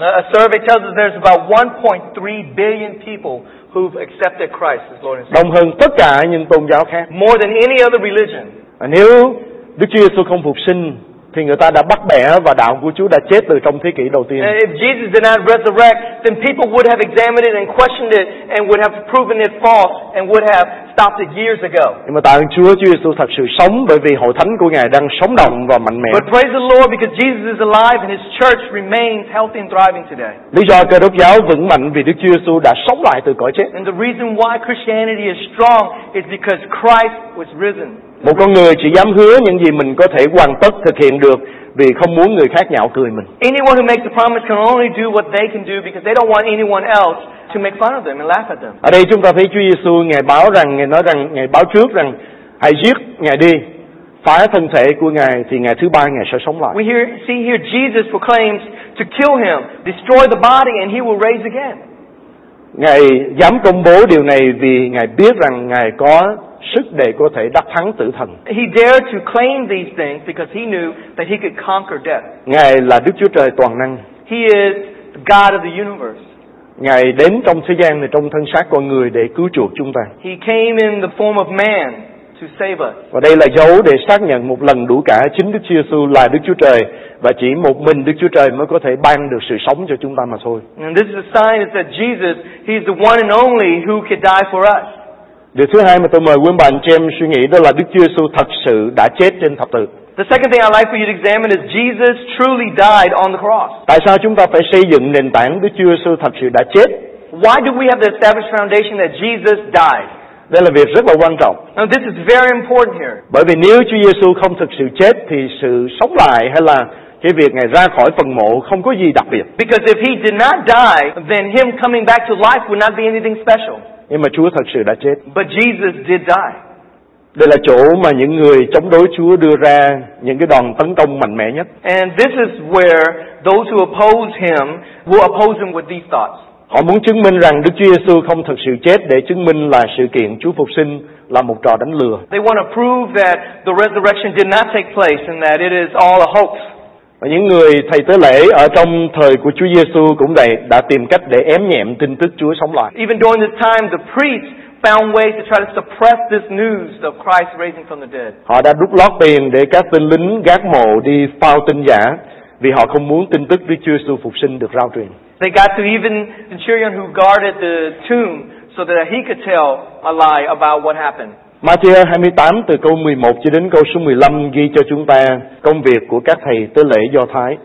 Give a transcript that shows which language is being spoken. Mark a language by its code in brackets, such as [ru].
[en] A survey tells us there's about 1.3 billion people who've accepted Christ as Lord and Savior. [vi] Đông hơn tất cả những tôn giáo khác. [en] More than any other religion. [vi] Nếu Đức Chúa Jesus không phục sinh thì người ta đã bắt bẻ và đạo của Chúa đã chết từ trong thế kỷ đầu tiên. [en] If Jesus did not resurrect, then people would have examined it and questioned it and would have proven it false and would have stopped it years ago. [vi] Nhưng mà tạ ơn Chúa, Chúa Giêsu thật sự sống bởi vì hội thánh của Ngài đang sống động và mạnh mẽ. [en] But praise the Lord because Jesus is alive and his church remains healthy and thriving today. [vi] Lý do Cơ Đốc giáo vững mạnh vì Đức Chúa Giêsu đã sống lại từ cõi chết. [en] And the reason why Christianity is strong is because Christ was risen. [vi] Một con người chỉ dám hứa những gì mình có thể hoàn tất thực hiện được vì không muốn người khác nhạo cười mình. [en] Anyone who makes a promise can only do what they can do because they don't want anyone else to make fun of them and laugh at them. [vi] Ở đây chúng ta thấy Chúa Giêsu ngài báo rằng ngài nói rằng ngài báo trước rằng hãy giết ngài đi, phá thân thể của ngài thì ngày thứ ba ngài sẽ sống lại. [en] We hear, see here Jesus proclaims to kill him, destroy the body and he will raise again. [vi] Ngài dám công bố điều này vì ngài biết rằng ngài có sức để có thể đắc thắng tử thần. [en] He dared to claim these things because he knew that he could conquer death. [vi] Ngài là Đức Chúa Trời toàn năng. [en] He is the God of the universe. [vi] Ngài đến trong thế gian này trong thân xác con người để cứu chuộc chúng ta. [en] He came in the form of man to save us. [vi] Và đây là dấu để xác nhận một lần đủ cả chính Đức Chúa Giêsu là Đức Chúa Trời và chỉ một mình Đức Chúa Trời mới có thể ban được sự sống cho chúng ta mà thôi. [en] And this is a sign that Jesus, he is the one and only who could die for us. [vi] Điều thứ hai mà tôi mời quý bạn chị em suy nghĩ đó là Đức Chúa Giêsu thật sự đã chết trên thập tự. [en] The second thing I'd like for you to examine is Jesus truly died on the cross. [vi] Tại sao chúng ta phải xây dựng nền tảng Đức Chúa Giêsu thật sự đã chết? [en] Why do we have the established foundation that Jesus died? [vi] Đây là việc rất là quan trọng. [en] Now this is very important here. [vi] Bởi vì nếu Chúa Giêsu không thực sự chết thì sự sống lại hay là cái việc ngài ra khỏi phần mộ không có gì đặc biệt. [en] Because if he did not die, then him coming back to life would not be anything special. [vi] Nhưng mà Chúa thật sự đã chết. [en] But Jesus did die. [vi] Đây là chỗ mà những người chống đối Chúa đưa ra những cái đòn tấn công mạnh mẽ nhất. [en] And this is where those who oppose him will oppose him with these thoughts. [vi] Họ muốn chứng minh rằng Đức Chúa Giêsu không thực sự chết để chứng minh là sự kiện Chúa phục sinh là một trò đánh lừa. [en] They want to prove that the resurrection did not take place and that it is all a hoax. [vi] Và những người thầy tế lễ ở trong thời của Chúa Giêsu cũng đã tìm cách để ém nhẹm tin tức Chúa sống lại. [en] Even during this time, the priests found ways to try to suppress this news of Christ raising from the dead. [vi] Họ đã đút lót tiền để các tên lính gác mộ đi phao tin giả vì họ không muốn tin tức Đức Chúa Giêsu phục sinh được rao truyền. [en] They got to even the centurion who guarded the tomb so that he could tell a lie about what happened. [vi] Matthew 28 từ câu 11 cho đến câu số 15 ghi cho chúng ta công việc của các thầy tế lễ Do Thái.